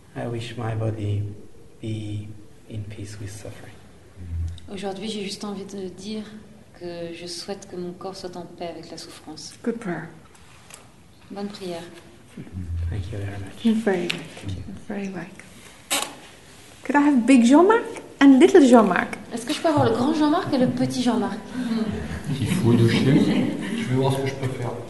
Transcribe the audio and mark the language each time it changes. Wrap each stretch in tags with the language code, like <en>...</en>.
<en>wish my body be in peace with suffering.</en> <fr>Aujourd'hui, j'ai juste envie de dire que je souhaite que mon corps soit en paix avec la souffrance.</fr> <en>Good prayer.</en> <fr>Bonne prière.</fr> <en>Thank you very much. You're very welcome. Very welcome. Could I have big Jean-Marc and little Jean-Marc?</en> <fr>Est-ce que je peux avoir le grand Jean-Marc et le petit Jean-Marc? Il faut deux chiens. Je vais voir ce que je peux faire.</fr>